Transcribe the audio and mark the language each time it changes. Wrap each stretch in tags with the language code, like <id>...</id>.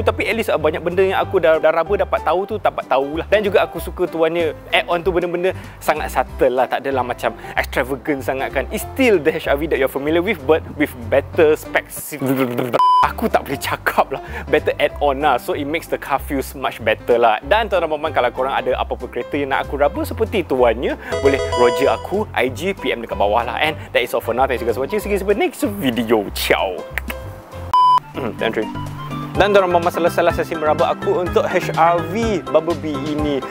<ms>Tapi</ms> <en>at least</en> <ms>banyak benda yang aku dah raba dapat tahu tu, dapat tahu lah. Dan juga aku suka tuannya add on tu benda-benda sangat subtle lah. Tak adalah macam extravagant sangat kan.</ms> <en>It's still the HR-V that you're familiar with, but with better specs.</en> <ms>Aku tak boleh cakap lah,</ms> <en>better add-on</en> <ms>lah.</ms> <en>So it makes the car feels much better</en> <ms>lah. Dan tuan-tuan puan-puan, kalau korang ada apa-apa kereta yang nak aku raba seperti tuannya, boleh roger aku, IG, PM dekat bawah lah.</ms> <en>And that is all for now. Thanks you guys for watching. See you guys in the next video. Ciao. Thank you.</en> <ms>Dan dorang mama selesailah sesi meraba aku untuk HR-V Bumblebee ini.</ms>